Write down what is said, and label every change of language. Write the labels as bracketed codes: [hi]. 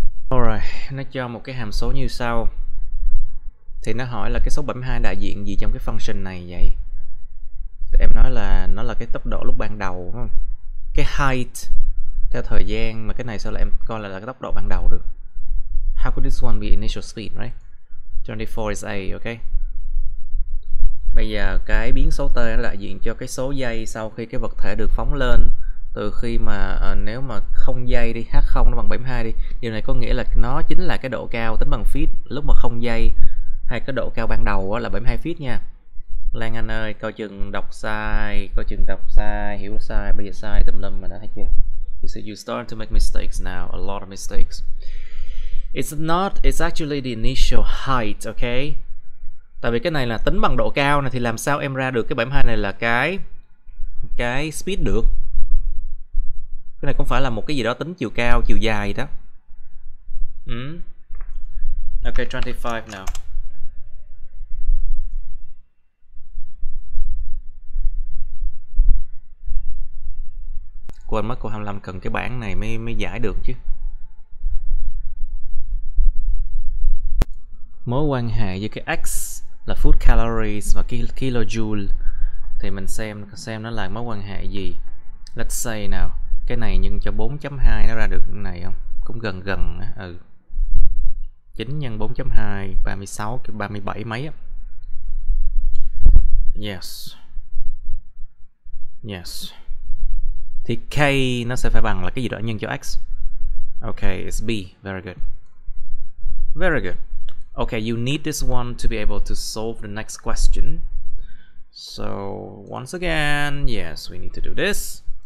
[vi] Alright, nó cho một cái hàm số như sau. Thì nó hỏi là cái số 72 đại diện gì trong cái function này vậy? Em nói là nó là cái tốc độ lúc ban đầu đúng không? Cái height theo thời gian, mà cái này sao lại em coi là cái tốc độ ban đầu được? [en] How could this one be initial speed, right? 24 is a, ok. [vi] Bây giờ cái biến số t nó đại diện cho cái số giây sau khi cái vật thể được phóng lên. Từ khi mà nếu mà không giây đi, h0 nó bằng 72 đi. Điều này có nghĩa là nó chính là cái độ cao tính bằng feet lúc mà không giây, hay cái độ cao ban đầu là 72 feet nha. Lan Anh ơi, coi chừng đọc sai, coi chừng đọc sai, hiểu sai, bây giờ sai tùm lum mà đã, thấy chưa? [en] You see, you start to make mistakes now, a lot of mistakes. It's actually the initial height, okay? [vi] Tại vì cái này là tính bằng độ cao này thì làm sao em ra được cái 72 này là cái speed được? Cái này không phải là một cái gì đó tính chiều cao, chiều dài đó. Ok, 25 nào. Quên mất, cô 25 cần cái bảng này mới mới giải được chứ. Mối quan hệ giữa cái X là food calories và kilojoule, thì mình xem nó là mối quan hệ gì. [en] Let's say [vi] nào, cái này nhân cho 4.2 nó ra được cái này không? Cũng gần gần á. Ừ. 9 nhân 4.2 36, 37 mấy á. [en] Yes. Yes. [vi] Thì K nó sẽ phải bằng là cái gì đó nhân cho X. [en] Ok, it's B. Very good. Very good. Ok, you need this one to be able to solve the next question. So, once again, yes, we need to do this.